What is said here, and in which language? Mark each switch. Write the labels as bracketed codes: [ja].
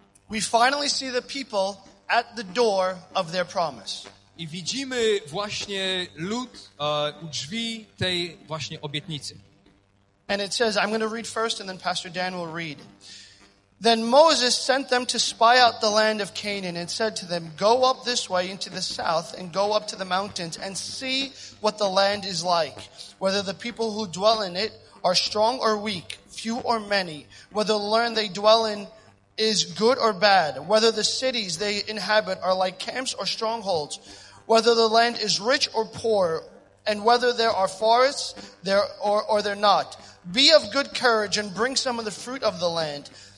[en] we finally see the people at the door of their promise. [pl] I widzimy właśnie lud u drzwi tej właśnie obietnicy. [en] And it says, I'm going to read first and then Pastor Dan will read. Then Moses sent them to spy out the land of Canaan and said to them, go up this way into the south and go up to the mountains and see what the land is like, whether the people who dwell in it are strong or weak, few or many, whether the land they dwell in is good or bad, whether the cities they inhabit are like camps or strongholds, whether the land is rich or poor, and whether there are forests there or they're not. Be of good courage and bring some of the fruit of the land.